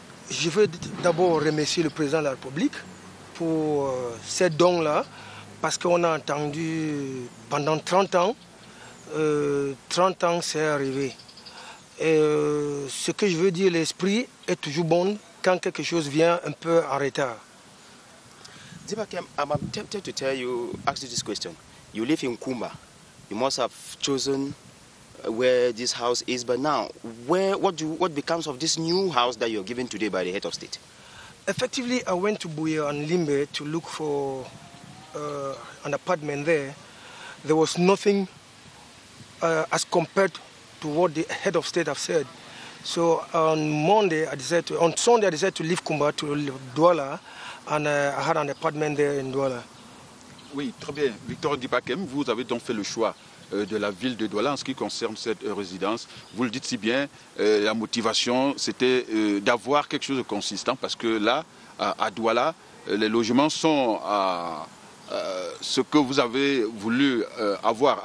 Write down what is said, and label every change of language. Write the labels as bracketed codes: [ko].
[fr] Je veux d'abord remercier le président de la République pour ces dons-là, parce qu'on a entendu pendant 30 ans, 30 ans c'est arrivé. Et ce que je veux dire, l'esprit est toujours bon quand quelque chose vient un peu en retard. [en] Dibakem, I'm tempted to tell you, ask you this question. You live in Kumba. You must have chosen where this house is, but now, what becomes of this new house that you're given today by the head of state? Effectively, I went to Buye and Limbe to look for an apartment there. There was nothing as compared to what the head of state have said. So on Sunday, I decided to leave Kumba to Douala, and I had an apartment there in Douala. [fr] Oui, très bien. Victor Ndipakem, vous avez donc fait le choix de la ville de Douala en ce qui concerne cette résidence. Vous le dites si bien, la motivation, c'était d'avoir quelque chose de consistant, parce que là, à Douala, les logements sont à ce que vous avez voulu avoir.